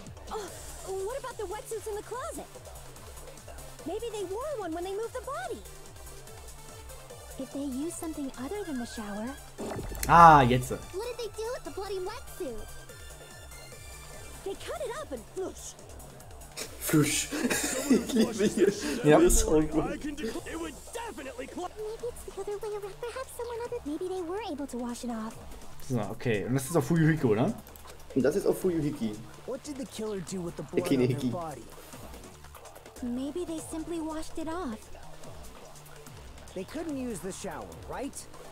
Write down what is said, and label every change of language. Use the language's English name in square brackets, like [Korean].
[English] Oh, what about the wetsuits in the closet? Maybe they wore one when they moved the body. If they used something other than the shower. [German] Ah, jetzt. [English] What did they do with the bloody wetsuit? They cut it up and flush. Flush. [German] Ich liebe hier. Ja, das ist auch gut. [English] It would definitely clog. Maybe it's the other way around. Perhaps someone other. Maybe they were able to wash it off. [German] So, okay. Und das ist auf Fuyuhiko, oder? Und das ist auf Fuyuhiki. [English] What did the killer do with the blood on their body? Maybe they simply washed it off. They couldn't use the shower, right?